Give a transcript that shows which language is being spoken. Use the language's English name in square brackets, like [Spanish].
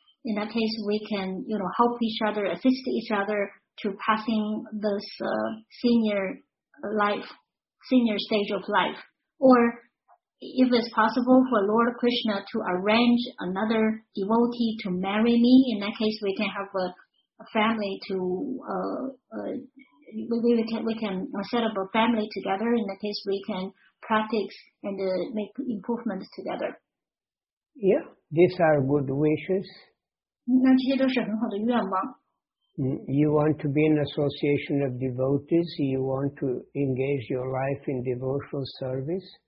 [English] In that case, we can help each other, assist each other to passing this senior stage of life, or if it's possible for Lord Krishna to arrange another devotee to marry me, in that case we can have a family to we can set up a family together. In that case we can practice and make improvements together. Yeah, these are good wishes. [Chinese] 那这些都是很好的愿望。 [English] You want to be an association of devotees. You want to engage your life in devotional service.